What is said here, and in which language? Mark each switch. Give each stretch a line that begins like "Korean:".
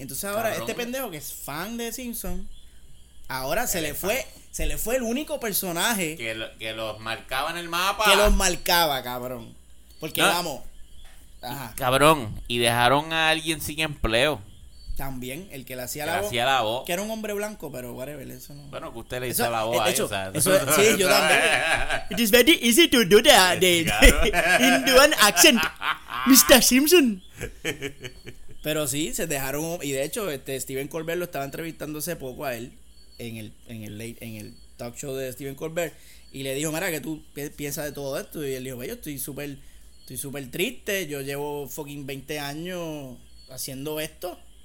Spanish: Entonces ahora, cabrón, este pendejo que es fan de Simpsons, ahora se le fue el único personaje. Que los marcaba en el mapa. Que los marcaba, cabrón. Porque no. Vamos. Ajá. Cabrón, y dejaron a alguien sin empleo. También, el que le hacía que la voz. Hacía la voz. Que era un hombre blanco, pero whatever, eso no. Bueno, que usted le hizo la voz a eso. Ahí, eso sí, yo también.
English: It is very easy to do the Indian accent, Mr.
Spanish: Simpson. Pero sí, se dejaron. Y de hecho, Stephen Colbert lo estaba entrevistando hace poco a él en el talk show de Stephen Colbert. Y le dijo: mira, ¿qué tú piensas de todo esto? Y él dijo: yo estoy súper triste. Yo llevo fucking 20 años haciendo esto.